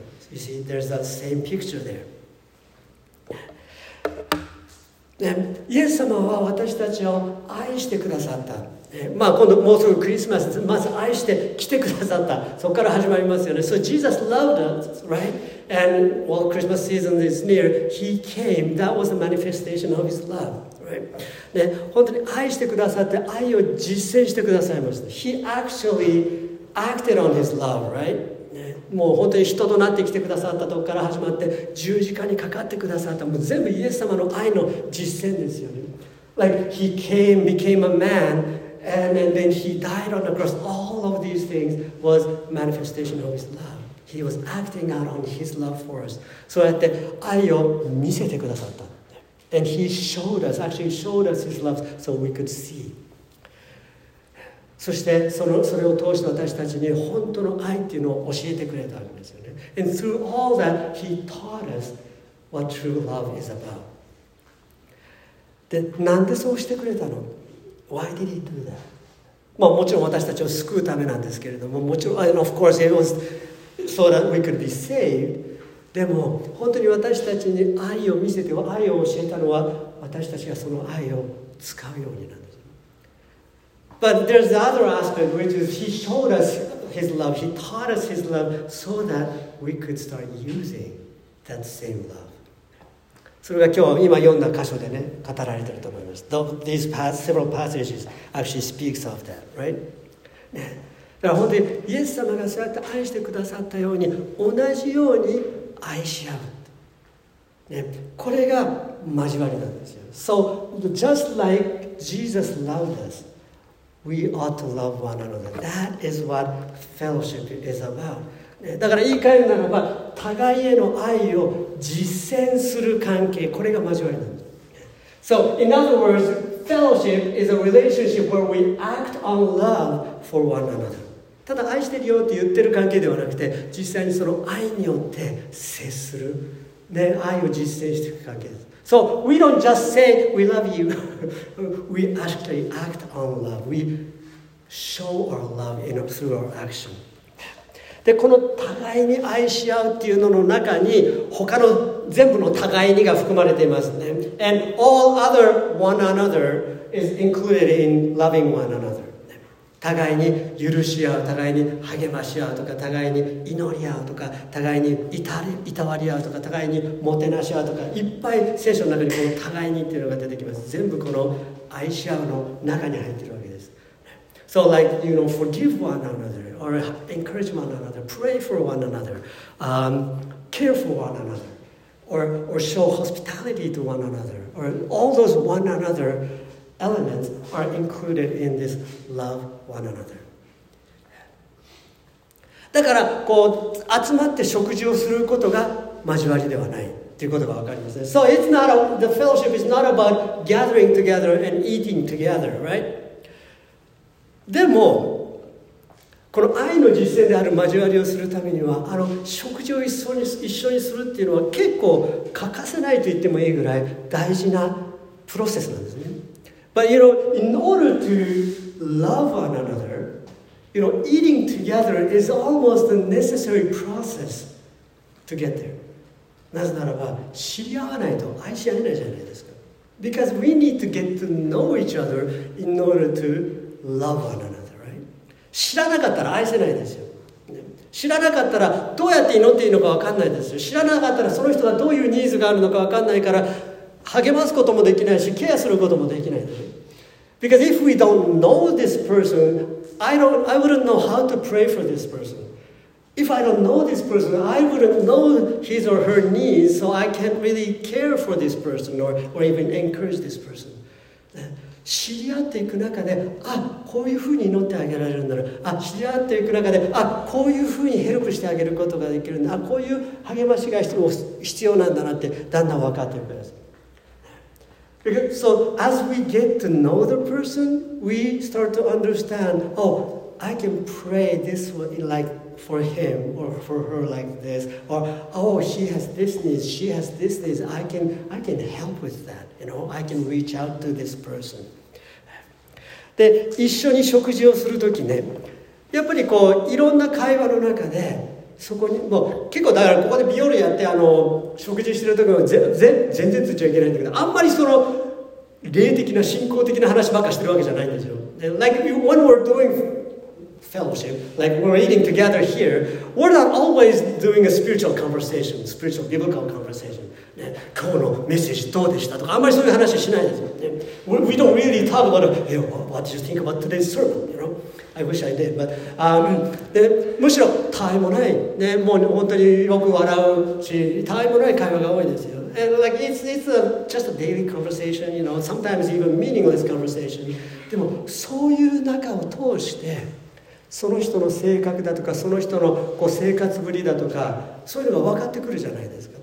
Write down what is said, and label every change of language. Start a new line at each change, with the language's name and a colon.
English: You see, there's that same picture there.
Japanese: ね、イエス様は私たちを愛してくださった、まあ、今度もうすぐクリスマスです。まず愛して来てくださった、そこから始まりますよね。
English: So Jesus loved us, right? And while Christmas season is near, He came. That was a manifestation of His love, right?
Japanese: 本当に愛してくださって愛を実践してくださいました。
English: He actually acted on His love, right?
Japanese: もう本当に人となってきてくださったとこから始まって、十字架にかかってくださった、もう全部イエス様の愛の実践ですよね。
English: Like he came, became a man, and then he died on the cross. All of these things was manifestation of his love. He was acting out on his love for us.
Japanese: そうやって愛を見せてくださった。
English: And he showed us, actually showed us his love so we could see.
Japanese: そしてそれを通して私たちに本当の愛っていうのを教えてくれたんですよね。
English: And through all that, he taught us what true love is about.
Japanese: で、なんでそうしてくれたの？
English: Why did he do that?
Japanese: まあもちろん私たちを救うためなんですけれども、もちろん、
English: and of course, it was so that we could be saved.
Japanese: でも、本当に私たちに愛を見せて、愛を教えたのは、私たちがその愛を使うようになる。
English: But there's the other aspect, which is he showed us his love. He taught us his love so that we could start using that same love.
Japanese: それが今日今読んだ箇所でね、語られてると思います。
English: These past several passages actually speaks of that, right?
Japanese: だから本当にイエス様がそうやって愛してくださったように、同じように愛し合う。ね、これが交わりなんですよ。
English: So just like Jesus loved us,We ought to love one another. That is what fellowship is about.
Japanese: だから言い換えるならば、互いへの愛を実践する関係、これが交わりなんです。
English: So, in other words, fellowship is a relationship where we act on love for one another.
Japanese: ただ愛してるよって言ってる関係ではなくて、実際にその愛によって接する。ね、愛を実践していく関係です。
English: So we don't just say we love you. We actually act on love. We show our love in through our action.
Japanese: で、この互いに愛し合うっていうのの中に他の全部の互いにが含まれていますね。
English: And all other one another is included in loving one another.
Japanese: 互いに許し合う、互いに励まし合うとか、互いに祈り合うとか、互いにいたわり合うとか、互いにもてなし合うとか、いっぱい聖書の中にこの互いにっていうのが出てきます。全部この愛し合うの中に入っているわけです。
English: So like, you know, forgive one another, or encourage one another, pray for one another, care for one another, or show hospitality to one another, or all those one another,elements are included in this love one another.
Japanese: だからこう集まって食事をすることが交わりではないということがわかりますね。
English: So it's not a, the fellowship is not about gathering together and eating together, right?
Japanese: でもこの愛の実践である交わりをするためには、あの食事を一緒にするっていうのは結構欠かせないと言ってもいいぐらい大事なプロセスなんですね。
English: But you know, in order to love one another, you know, eating together is almost a necessary process to get there.
Japanese: なぜならば、知り合わないと愛し合えないじゃないですか。
English: Because we need to get to know each other in order to love one another, right?
Japanese: 知らなかったら愛せないですよ。知らなかったらどうやって祈っていいのか分かんないですよ。知らなかったらその人がどういうニーズがあるのか分かんないから、励ますこともできないし、ケアすることもできない。
English: Because if we don't know this person, I wouldn't know how to pray for this person. If I don't know this person, I wouldn't know his or her needs, so I can't really care for this person or even encourage this person.
Japanese: 知り合っていく中で、あ、こういうふうに祈ってあげられるんだろう。あ、知り合っていく中で、あ、こういうふうにヘルプしてあげることができるんだ。あ、こういう励ましが必要なんだなって、だんだん分かっていくんです。
English: So as we get to know the person, we start to understand, oh, I can pray this way, like for him or for her like this, or, oh, she has this needs, she has this needs, I can help with that, you know, I can reach out to this person.
Japanese: で、一緒に食事をするときね、やっぱりこう、いろんな会話の中で、そこにもう結構だからここでビオルやってあの食事してるときは全然ついちゃいけないんだけど、あんまりその霊的な信仰的な話ばっかしてるわけじゃないんですよ。
English: Like when we're doing fellowship, like we're eating together here, we're not always doing a spiritual conversation, spiritual biblical conversation.、
Japanese: ね、今日のメッセージどうでしたとかあんまりそういう話しないんですよ。
English: We don't really talk about, hey, what do you think about today's sermon, you know? I wish I did, but
Japanese: でむしろ他愛もない、ね、もう本当によく笑うし他愛もない会話が多いですよ。
English: And like it's a, just a daily conversation, you know, sometimes even meaningless conversation.
Japanese: でもそういう中を通してその人の性格だとかその人のこう生活ぶりだとかそういうのが分かってくるじゃないですか。